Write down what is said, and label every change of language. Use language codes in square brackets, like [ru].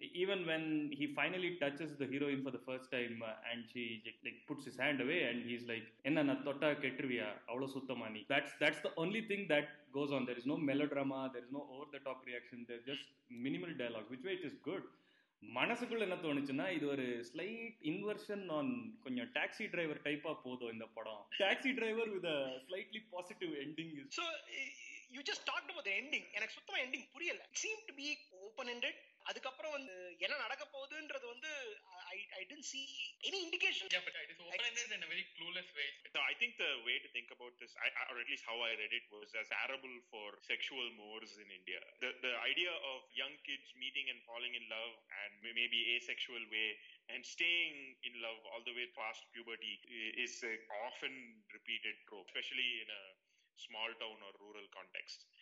[en] Even when he finally touches the heroine for the first time and she like puts his hand away and he's like, [ta] "Enna na thotta ketruviya, avlo suttamani." [en] That's the only thing that goes on. There is no melodrama, there is no over-the-top reaction, there's just minimal dialogue, which way it is good. [ta] மனசுக்குள்ள என்ன தோணுச்சுன்னா, இது ஒரு [en] slight inversion ஆன் [ta] கொஞ்சம் taxi driver டைப்பா போதும் இந்த படம். [en] Taxi Driver with a slightly positive ending. So you just talked about the ending. [ta] எனக்கு சுத்தமா எண்டிங் புரியல. [en] It seemed to be open ended. [ta] அதுக்கப்புறம் வந்து என்ன நடக்க போகுதுன்றது வந்து [en] I did see any indication. Yeah, but it is open ended in a very clueless way. So I think the way to think about this, or at least how I read it, was as arable for sexual mores in India. The idea of young kids meeting and falling in love and maybe asexual way and staying in love all the way past puberty is an often repeated trope, especially in a small town or rural context.